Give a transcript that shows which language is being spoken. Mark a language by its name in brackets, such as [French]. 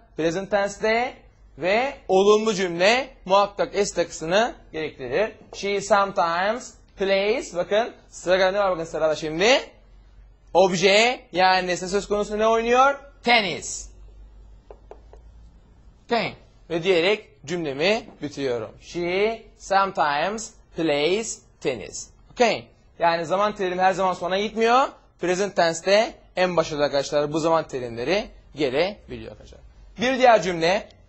[Turkish] Present tense'de ve olumlu cümle muhakkak s takısını gerektirir. [English] She sometimes plays. [Turkish] Bakın sırada ne var bakın sırada şimdi. Obje yani nesne söz konusu ne oynuyor? Tennis. Okay. Ve diyerek cümlemi bitiriyorum. [English] She sometimes plays tennis. [Turkish] Okay. Yani zaman terim her zaman sona gitmiyor. Present tense'de en başarılı arkadaşlar bu zaman terimleri gelebiliyor arkadaşlar. Bir diğer cümle.